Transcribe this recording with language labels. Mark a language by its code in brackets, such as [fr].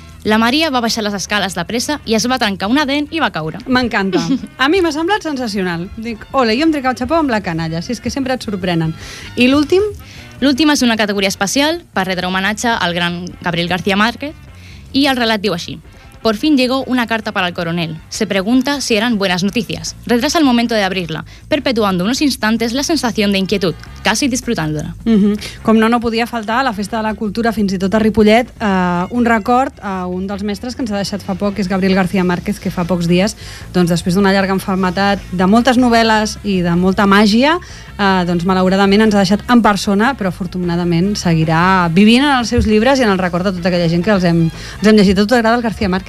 [ca] La Maria va baixar les escales de pressa i es va trencar una dent i va caure. M'encanta. A mi m'ha semblat sensacional. Dic, ole, jo em trec el xapó amb la canalla, si és que sempre et sorprenen. I l'últim? L'últim és una categoria especial per retre homenatge al gran Gabriel García Márquez i el relat diu així. [es] Por fin llegó una carta para el coronel. Se pregunta si eran buenas noticias. Retrasa el momento de abrirla, perpetuando unos instantes la sensación de inquietud, casi disfrutándola. Mm-hmm. [ca] Com no podia faltar a la Festa de la Cultura, fins i tot a Ripollet, un record a un dels mestres que ens ha deixat fa poc, que és Gabriel García Márquez, que fa pocs dies, doncs, després d'una llarga enfermedat, de moltes novel·les i de molta màgia, doncs, malauradament ens ha deixat en persona, però afortunadament seguirà vivint en els seus llibres i en el record de tota aquella gent que els hem llegit. Tot t'agrada el García Márquez?